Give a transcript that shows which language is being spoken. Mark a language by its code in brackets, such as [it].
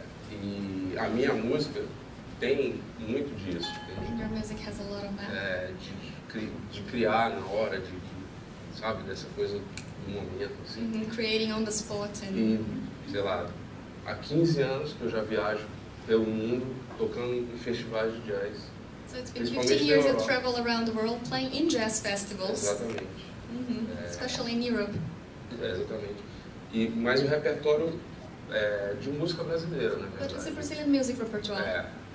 [pt] E a minha música tem muito disso. [en] And your music has a lot of that. [pt] De criar na hora, sabe, dessa coisa do momento, assim. [en] Mm-hmm. Creating on the spot. And... [pt] E, sei lá, há 15 anos que eu já viajo pelo mundo tocando em festivais de jazz. [en] So it's been 15 years you travel around the world playing in jazz festivals. [pt] Exatamente. [en] Uhum, especially in Europe. [pt] Exatamente. E mais um repertório de música brasileira, né? [en] But it's a Brazilian music repertoire.